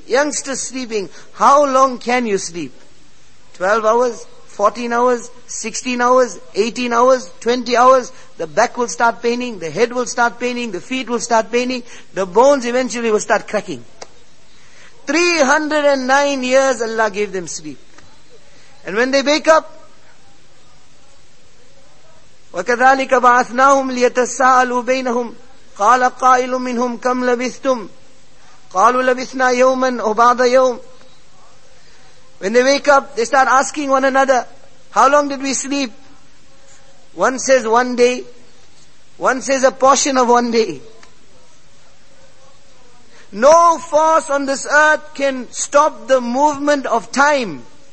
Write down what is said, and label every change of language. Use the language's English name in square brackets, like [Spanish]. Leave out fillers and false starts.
[English] Youngsters sleeping. How long can you sleep? 12 hours? 14 hours? 16 hours? 18 hours? 20 hours? The back will start paining. The head will start paining. The feet will start paining. The bones eventually will start cracking. 309 years Allah gave them sleep. And when they wake up, [Arabic] وَكَذَلِكَ بَعَثْنَاهُمْ لِيَتَسَاءَلُوا بَيْنَهُمْ قَالَ قَائِلٌ مِّنْهُمْ كَمْ لَبِثْتُمْ قَالُوا لَبِثْنَا يَوْمًا أَوْ بَعْضَ يَوْمٍ. [English] When they wake up, they start asking one another, how long did we sleep? One says one day, one says a portion of one day. No force on this earth can stop the movement of time.